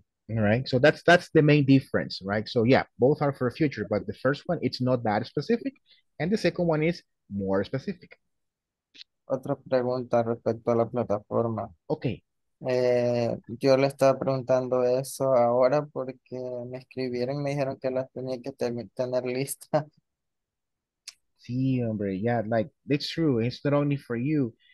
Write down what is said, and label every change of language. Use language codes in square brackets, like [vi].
[en] All right, so that's the main difference, right? So yeah, both are for future, but the first one, it's not that specific, and the second one is more specific. [es] Otra pregunta respecto a la plataforma. [en] Okay. [es] Yo le estaba preguntando eso ahora porque me escribieron, me dijeron que las tenía que tener lista. Sí, hombre, [en] yeah, like, it's true, it's not only for you.